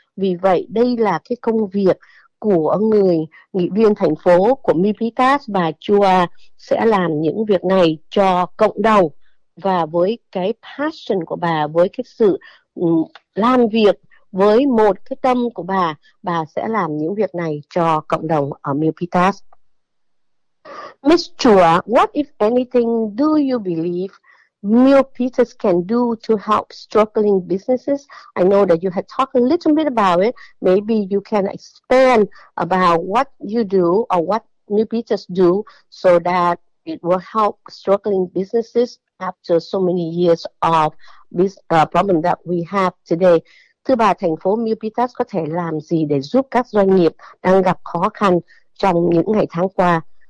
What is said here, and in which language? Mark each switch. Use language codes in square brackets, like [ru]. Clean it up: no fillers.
[vi] Vì vậy đây là cái công việc của người nghị viên thành phố của Milpitas, bà Chua sẽ làm những việc này cho cộng đồng. Và với cái passion của bà, với cái sự làm việc với một cái tâm của bà sẽ làm những việc này cho cộng đồng ở Milpitas. [en] Miss Chua, what if anything do you believe Milpitas can do to help struggling businesses? I know that you had talked a little bit about it. Maybe you can expand about what you do or what Milpitas do so that it will help struggling businesses after so many years of this problem that we have today. [vi] Thưa bà, thành phố Milpitas có thể làm gì để giúp các doanh nghiệp đang gặp khó khăn trong những ngày tháng qua?